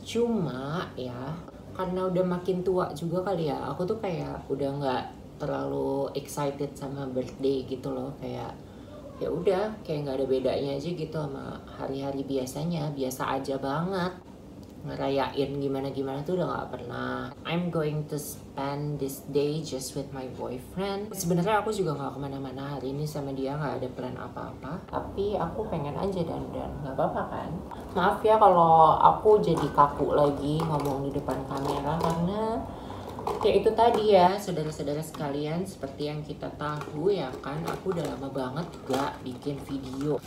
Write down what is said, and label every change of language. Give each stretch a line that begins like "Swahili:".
Indonesian: Cuma ya, karena udah makin tua juga kali ya, aku tuh kayak udah nggak terlalu excited sama birthday gitu loh, kayak ya udah kayak nggak ada bedanya aja gitu sama hari-hari biasanya, biasa aja banget. Ngerayain gimana-gimana tuh udah nggak pernah.
English: I'm going to spend this day just with my boyfriend.
Indonesian: Sebenarnya aku juga nggak kemana-mana hari ini sama dia, nggak ada plan apa-apa, tapi aku pengen aja dan nggak apa-apa kan. Maaf ya kalau aku jadi kaku lagi ngomong di depan kamera karena ya itu tadi ya, saudara-saudara sekalian, seperti yang kita tahu ya kan, aku udah lama banget gak bikin video.